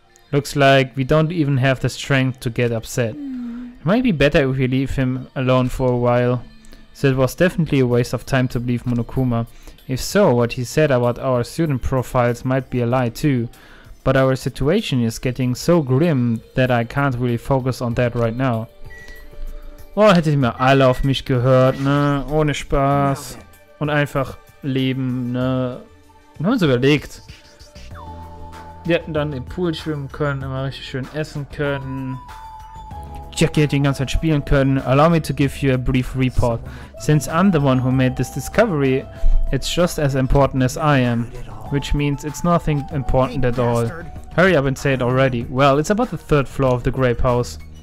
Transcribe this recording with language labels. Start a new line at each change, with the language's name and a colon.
English: Looks like we don't even have the strength to get upset. It might be better if we leave him alone for a while. So it was definitely a waste of time to believe Monokuma. If so, what he said about our student profiles might be a lie too. But our situation is getting so grim that I can't really focus on that right now.
German: Oh, hätte ich mir alle auf mich gehört, ne? Ohne Spaß. Und einfach leben, ne? Und haben uns überlegt. Die hätten dann im Pool schwimmen können, immer richtig schön essen können. Jackie hätte die ganze Zeit spielen können.
English: Allow me to give you a brief report. Since I'm the one who made this discovery, it's just as important as I am. Which means it's nothing important at all. Hurry up and say it already. Well, it's about the third floor of the Grape House.